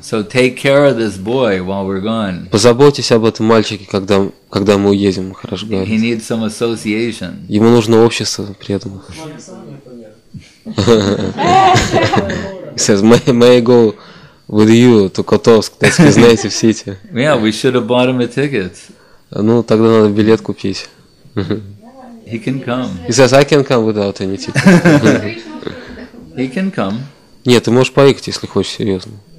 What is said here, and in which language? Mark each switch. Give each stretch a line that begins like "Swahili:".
English: So take care of this boy while we're gone.
Russian: Позаботьтесь об этом мальчике, когда мы уедем, хорошо говорить.
English: He needs some association.
Russian: Ему нужно общество преданных.
English: He says, may I go with you to Kotovsk, that's his native city. Yeah, we should have bought him a ticket.
Russian: Ну, тогда надо билет купить.
English: He can come. He says, I can come without any ticket. He can come.
Russian: Нет, ты можешь поехать, если хочешь серьезно.